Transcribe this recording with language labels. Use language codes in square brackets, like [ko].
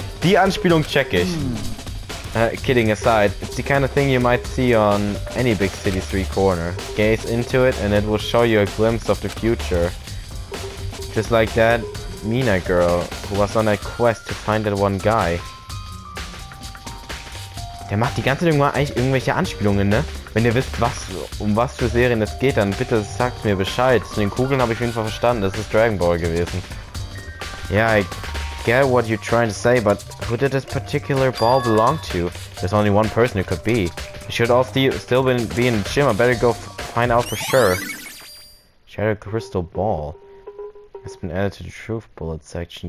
[de] Die Anspielung check ich. [en] Kidding aside, it's the kind of thing you might see on any big city street corner. Gaze into it and it will show you a glimpse of the future. Just like that Mina girl who was on a quest to find that one guy. [de] Der macht die ganze Zeit eigentlich irgendwelche Anspielungen, ne? Wenn ihr wisst, was um was für Serien es geht, dann bitte sagt mir Bescheid. Zu den Kugeln habe ich auf jeden Fall verstanden, das ist Dragon Ball gewesen. [en] Yeah, I get what you're trying to say, but who did this particular ball belong to? There's only one person it could be. It should all still be in the gym, I better go find out for sure. Shadow Crystal Ball. It's been added to the Truth Bullet section.